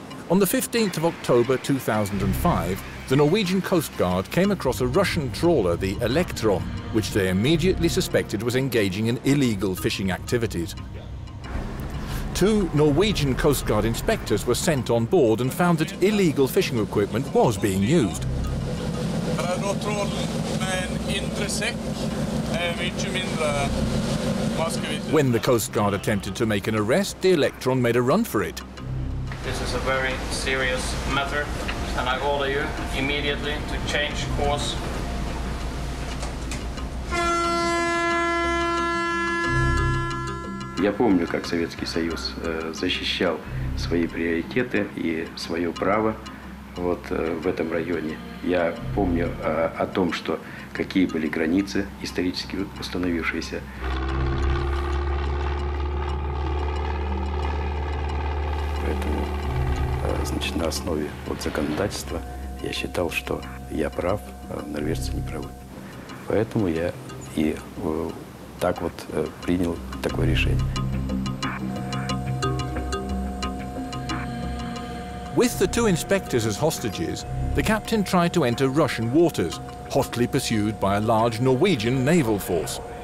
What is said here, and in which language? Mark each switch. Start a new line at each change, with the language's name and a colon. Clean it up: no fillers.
English: On the 15th of October 2005, the Norwegian Coast Guard came across a Russian trawler, the Electron, which they immediately suspected was engaging in illegal fishing activities. Two Norwegian Coast Guard inspectors were sent on board and found that illegal fishing equipment was being used.
Norwegian: Her nå trålen med en indre sekk, mye mindre maskevitt.
English: When the Coast Guard attempted to make an arrest, the Electron made a run for it. This is a very serious matter, and I order you immediately to change course.
Russian: Я помню, как Советский Союз защищал свои приоритеты и свое право вот в этом районе. Я помню о том, что какие были границы исторически установившиеся. Поэтому, значит, на основе вот законодательства я считал, что я прав, а норвежцы не правы. Поэтому я и так вот принял такое решение.
English: With the two inspectors as hostages, the captain tried to enter Russian waters, hotly pursued by a large Norwegian naval force.